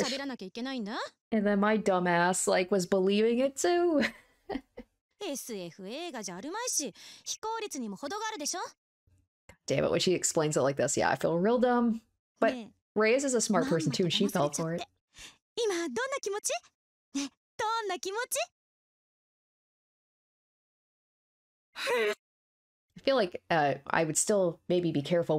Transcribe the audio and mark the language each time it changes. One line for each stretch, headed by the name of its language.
English: And then my dumbass, like, was believing it too.
Japanese: SF 映画じゃあるまいし、非効率にも程があるでしょ。
English: Damn it, when she explains it like this, yeah, I feel real dumb. But Reyes is a smart person too, and she fell for it.
Japanese: 今どんな気持ち？ね、どんな気持ち？
English: I feel like I would still maybe be careful.